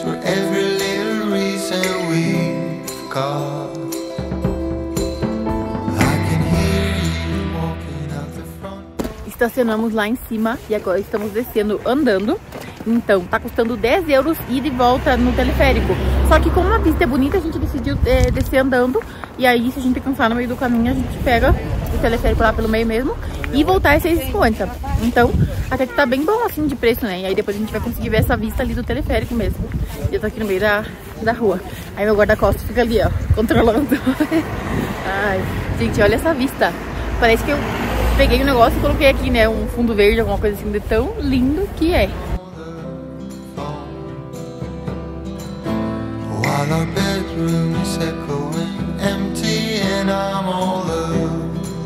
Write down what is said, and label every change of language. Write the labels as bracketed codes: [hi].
[en] For every little reason we've got. I can hear you walking out the front. [pt] Estacionamos lá em cima e agora estamos descendo andando. Então, tá custando 10 euros ir de volta no teleférico. Só que como a pista é bonita, a gente decidiu descer andando. E aí, se a gente cansar no meio do caminho, a gente pega o teleférico lá pelo meio mesmo e voltar é 6,50. Então, até que tá bem bom assim de preço, né? E aí depois a gente vai conseguir ver essa vista ali do teleférico mesmo. E eu tô aqui no meio da rua. Aí meu guarda-costas fica ali, ó, controlando. Ai, gente, olha essa vista. Parece que eu peguei um negócio e coloquei aqui, né? Um fundo verde, alguma coisa assim, de tão lindo que é. [en] While our bedroom's echoing empty and I'm all alone.